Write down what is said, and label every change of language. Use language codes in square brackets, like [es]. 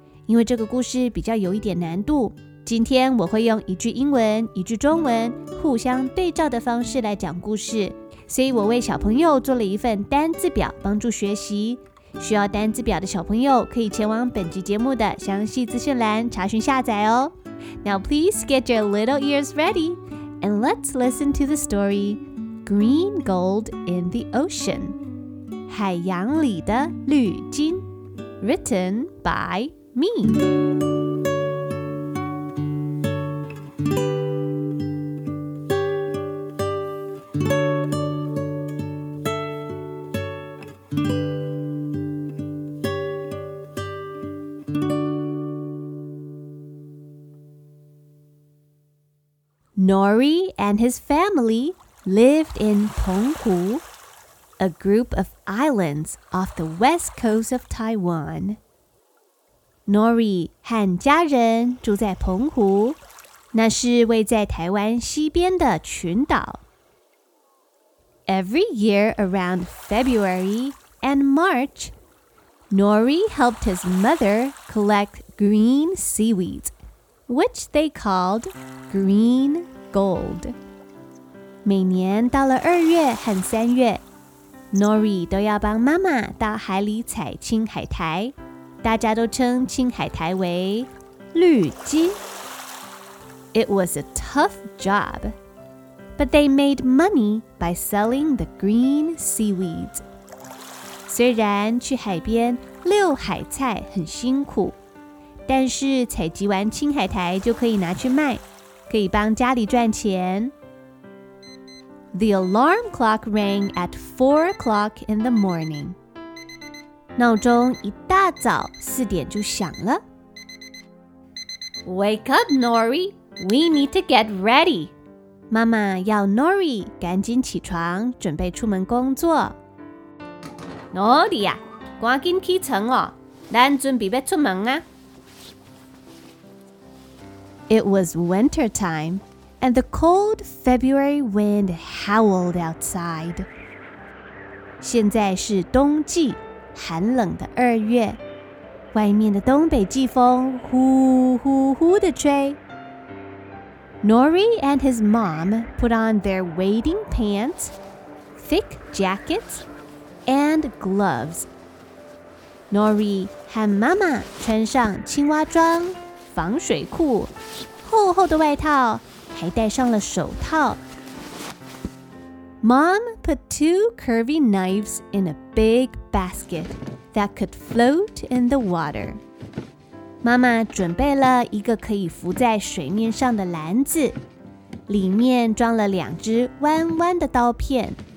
[zh] 因为这个故事比较有一点难度，今天我会用一句英文一句中文互相对照的方式来讲故事，所以我为小朋友做了一份单字表帮助学习。需要单字表的小朋友可以前往本集节目的详细资讯栏查询下载哦。 [en] Now please get your little ears ready and let's listen to the storyGreen Gold in the Ocean, [zh] 海洋里的绿金 [en] Written by me. Nori and his familylived in Penghu, a group of islands off the west coast of Taiwan. [zh] Nori 和家人住在澎湖，那是位在台湾西边的群岛。 [en] Every year around February and March, Nori helped his mother collect green seaweeds, which they called green gold. [zh] 每年到了二月和三月， Nori 都要帮妈妈到海里采青海苔，大家都称青海苔为绿金。 [en] It was a tough job, but they made money by selling the green seaweeds. [zh] 虽然去海边遛海菜很辛苦，但是采集完青海苔就可以拿去卖，可以帮家里赚钱。 [en] The alarm clock rang at 4 o'clock in the morning. [zh] 闹钟一大早四点就响了。 [en] Wake up, Nori. We need to get ready. [zh] 妈妈要 Nori 赶紧起床，准备出门工作。 Nori 啊，赶紧起床哦，咱准备要出门啊。 [en] It was winter time. And the cold February wind howled outside. [zh] 现在是冬季，寒冷的二月，外面的东北季风呼呼呼地吹。 [en] Nori and his mom put on their wading pants, thick jackets, and gloves. [zh] Nori 和妈妈穿上青蛙装、防水裤、厚厚的外套。还戴上了手套。 [en] Mom put two curvy knives in a big basket that could float in the water. [zh] 妈妈准备了一个可以浮在水面上的篮子，里面装了两只弯弯的刀片。